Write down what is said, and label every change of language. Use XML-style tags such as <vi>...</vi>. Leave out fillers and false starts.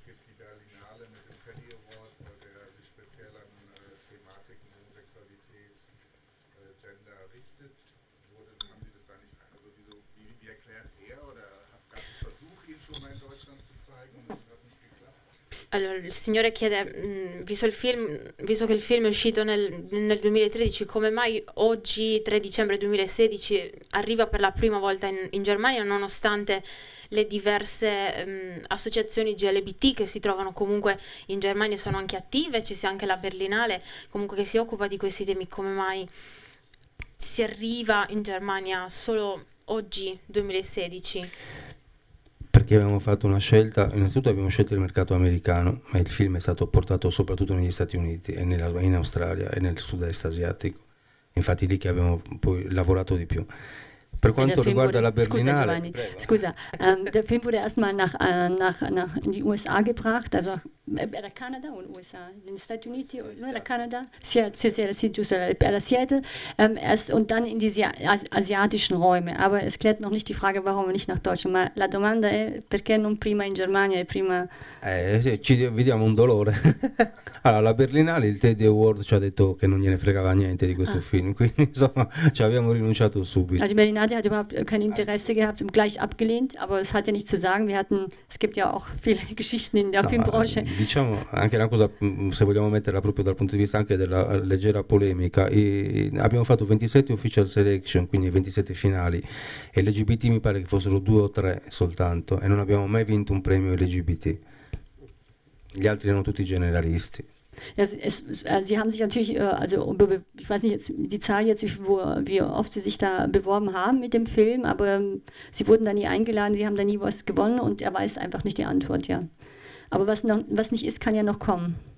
<de>Es gibt die Berlinale mit dem Teddy Award, wo der sich speziell an Thematiken in Sexualität, Gender richtet. Wurde, haben Sie das da nicht? Also wie erklärt er oder gab es Versuche, ihn schon mal in Deutschland zu zeigen und es hat nicht geklappt?</de> <it>Allora, il signore chiede visto che il film è uscito nel 2013, come mai oggi, 3 dicembre 2016, arriva per la prima volta in Germania, nonostante le diverse associazioni GLBT che si trovano comunque in Germania, sono anche attive, ci sia anche la Berlinale, comunque che si occupa di questi temi, come mai si arriva in Germania solo oggi, 2016? Perché abbiamo fatto una scelta, innanzitutto abbiamo scelto il mercato americano, ma il film è stato portato soprattutto negli Stati Uniti e in Australia e nel sud-est asiatico, infatti lì che abbiamo poi lavorato di più. Per quanto riguarda la Berlinale, scusa,</it> <de>der Film wurde erstmal nach in die USA gebracht,</de> <it>also era Canada o USA, negli Stati Uniti o era Canada?</it> <de>Seattle, erst und dann in diese asiatischen Räume, aber es klärt noch nicht die Frage, warum nicht nach Deutschland,</de> <it>ma la domanda è perché non prima in Germania e prima ci vediamo un dolore. Allora, la Berlinale, il Teddy Award ci ha detto che non gliene fregava niente di questo film, quindi insomma, ci abbiamo rinunciato subito.</it> <de>Nadia hat überhaupt kein Interesse gehabt und gleich abgelehnt, aber es hat ja nichts zu sagen. Es gibt ja auch viele Geschichten in der Filmbranche.</de> <it>Diciamo anche una cosa, se vogliamo metterla proprio dal punto di vista anche della leggera polemica. E abbiamo fatto 27 official selection, quindi 27 finali, e LGBT mi pare che fossero due o tre soltanto, e non abbiamo mai vinto un premio LGBT. Gli altri erano tutti generalisti.</it> <de>Ja, sie haben sich natürlich, also ich weiß nicht jetzt die Zahl jetzt, wie oft sie sich da beworben haben mit dem Film, aber sie wurden da nie eingeladen, sie haben da nie was gewonnen und er weiß einfach nicht die Antwort, ja. Aber was noch, was nicht ist, kann ja noch kommen.</de>